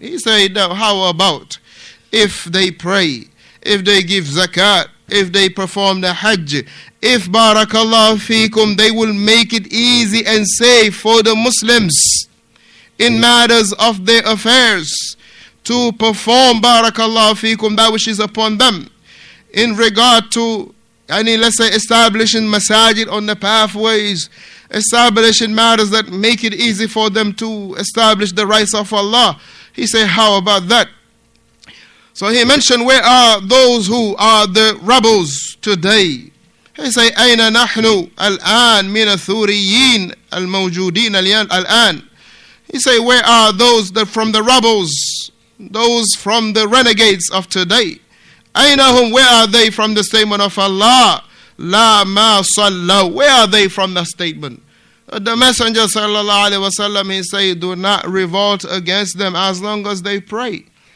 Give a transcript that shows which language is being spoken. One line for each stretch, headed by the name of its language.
English: He said, how about if they pray, if they give zakat, if they perform the hajj, if barakallahu fikum, they will make it easy and safe for the Muslims in matters of their affairs to perform, barakallahu fikum, that which is upon them in regard to any, let's say, establishing masajid on the pathways, establishing matters that make it easy for them to establish the rights of Allah. He say, how about that? So he mentioned, where are those who are the rebels today? He say,
Arabic: أين نحن الآن من الثوريين الموجودين الآن.
English: He say, where are those that from the rebels, those from the renegades of today? Aynahum, where are they from the statement of Allah?
Arabic: La ma sallaw,
English: where are they from the statement? The messenger sallallahu alayhi wa sallam, he say, do not revolt against them as long as they pray.